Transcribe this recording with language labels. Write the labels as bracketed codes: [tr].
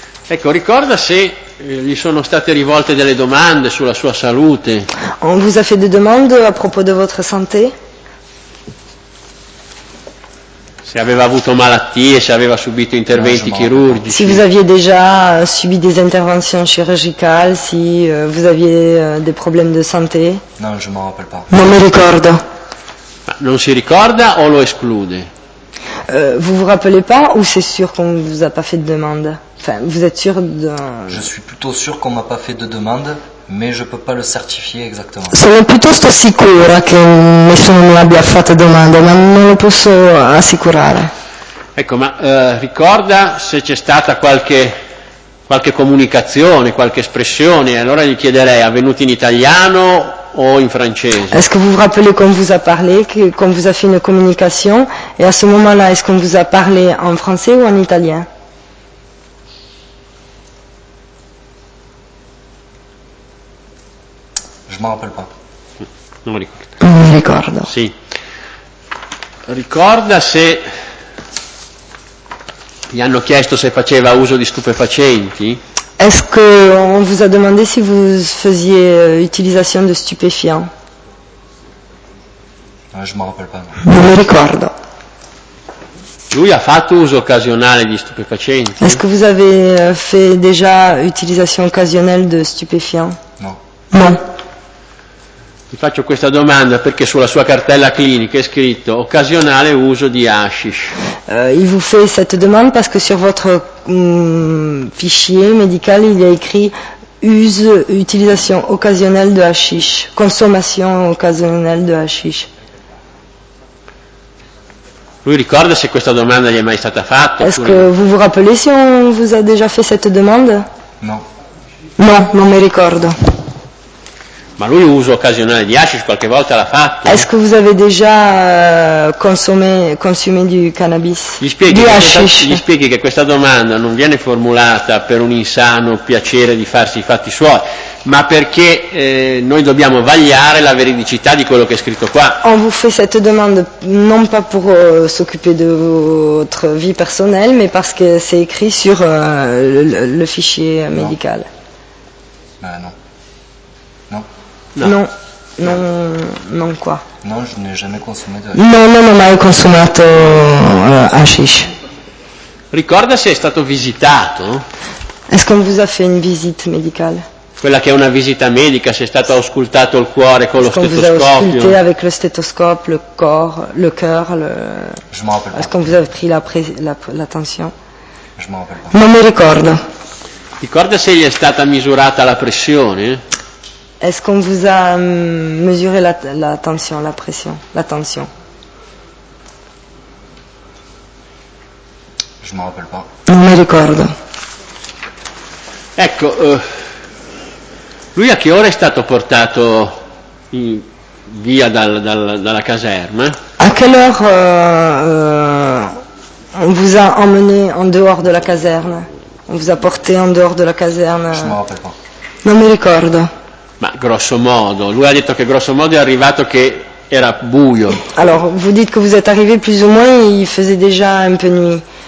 [it] Ecco, ricorda se gli sono state rivolte delle domande sulla sua salute. [fr] On vous a fait des demandes à propos de votre santé? [it] Se aveva avuto malattie, se aveva subito interventi chirurgici. [fr] Si vous aviez déjà subi des interventions chirurgicales, si vous aviez des problèmes de santé? Non, je m'en rappelle pas. [it] Non mi ricordo. Non si ricorda o lo esclude? [fr] Vous vous rappelez pas ou c'est sûr qu'on vous a pas fait de demande? Enfin, vous êtes sûr de... Je suis plutôt sûr qu'on m'a pas fait de demande, mais je peux pas le certifier exactement. [it] Sono piuttosto sicura che nessuno mi abbia fatto domande, ma non lo posso assicurare. Ecco, ma ricorda se c'è stata qualche comunicazione, qualche espressione, allora gli chiederei, avvenuto in italiano o in francese? [fr] Est-ce que vous vous rappelez qu'on vous a parlé, qu'on vous a fait une communication, et à ce moment-là, est-ce qu'on vous a parlé en français ou en italien? Je m'en rappelle pas. [it] Non mi ricordo. Non mi ricordo. Sì. Ricorda se gli hanno chiesto se faceva uso di stupefacenti? [fr] Est-ce que on vous a demandé si vous faisiez utilisation de stupéfiants? Non, je m'en rappelle pas. [it] Non mi ricordo. Lui ha fatto uso occasionale di stupefacenti? [fr] Est-ce que vous avez fait déjà utilisation occasionnelle de stupéfiants? Non. Non. [it] Ti faccio questa domanda perché sulla sua cartella clinica è scritto occasionale uso di hashish. [fr] Il vous fait cette demande parce que sur votre fichier médical il y a écrit use utilisation occasionnelle de hashish, consommation occasionnelle de hashish. [it] Lui ricorda se questa domanda gli è mai stata fatta? [fr] Est-ce que vous vous rappelez si on vous a déjà fait cette demande? Non. [it] Non, non mi ricordo. Ma lui uso occasionale di hashish qualche volta l'ha fatto. [fr] Est-ce que vous avez déjà consommé du cannabis? [it] Gli spieghi che questa domanda non viene formulata per un insano piacere di farsi i fatti suoi, ma perché noi dobbiamo vagliare la veridicità di quello che è scritto qua. [fr] On vous fait cette demande non pas pour s'occuper de votre vie personnelle, mais parce que c'est écrit sur le fichier médical. Ben non. Non. Non, non, non quoi. Non, je n'ai jamais consommé de [it] hashish. Non, non ho mai consumato hashish. Ricorda se è stato visitato? [fr] Est-ce qu'on vous a fait une visite médicale? [it] Quella che è una visita medica, se è stato auscultato il cuore con lo stetoscopio. [fr] Est-ce qu'on vous a ausculté avec le stéthoscope, le corps, le cœur, le... Je m'en rappelle pas. Est-ce qu'on vous a pris la tension? Je m'en rappelle pas. [it] Non mi ricordo. Ricorda se gli è stata misurata la pressione? [fr] Est-ce qu'on vous a mesuré la tension, la pression, la tension? Je m'en rappelle pas. [it] Non mi ricordo. Ecco, lui a che ora è stato portato via dalla caserma? [fr] A quelle heure On vous a emmené en dehors de la caserne. On vous a porté en dehors de la caserne. Je m'en rappelle pas. [it] Non mi ricordo. Ma grosso modo, lui ha detto che grosso modo è arrivato che era buio. [fr] Alors, vous dites que vous êtes arrivé plus ou moins, il faisait déjà un peu nuit.